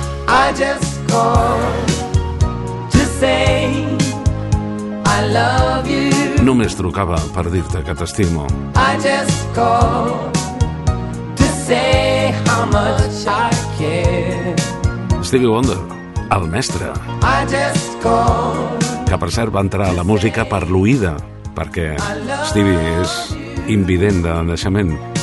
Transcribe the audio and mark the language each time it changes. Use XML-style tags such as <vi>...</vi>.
<en>I just called to say I love you.</en> <ca>Només trucava per dir-te que t'estimo.</ca> <en>I just called to say how much I care.</en> <ca>Stevie Wonder, el mestre.</ca> <en>I just called.</en> <ca>Que per cert va entrar a la música per l'oïda, perquè Stevie és invident de naixement.</ca>